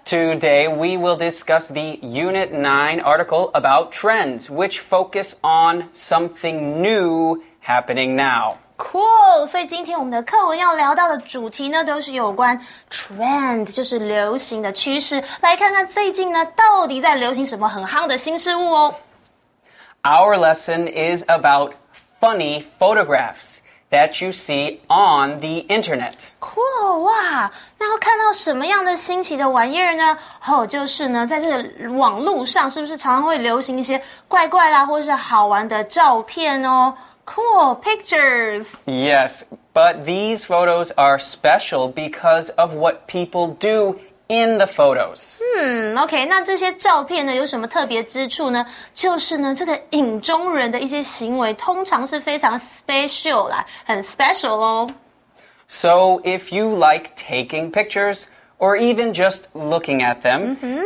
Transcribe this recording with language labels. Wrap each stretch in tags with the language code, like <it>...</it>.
<en>Today we will discuss the Unit 9 article about trends, which focus on something new happening now. Cool!</en> <zh>所以今天我们的课文要聊到的主题呢，都是有关trend，就是流行的趋势。来看看最近呢，到底在流行什么很夯的新事物哦。</zh> <en>Our lesson is about funny photographs that you see on the internet.</en> <zh>Cool, 哇，那要看到什么样的新奇的玩意儿呢？哦，就是呢，在这个网络上，是不是常常会流行一些怪怪啦，或是好玩的照片哦？</zh> <en>Cool pictures. Yes, but these photos are special because of what people do in the photos.</en> <zh>OK，那这些照片呢，有什么特别之处呢？就是呢，这个影中人的一些行为，通常是非常 special 啦，很 special 哦。</zh> <en>So, if you like taking pictures or even just looking at them, 嗯哼。</en>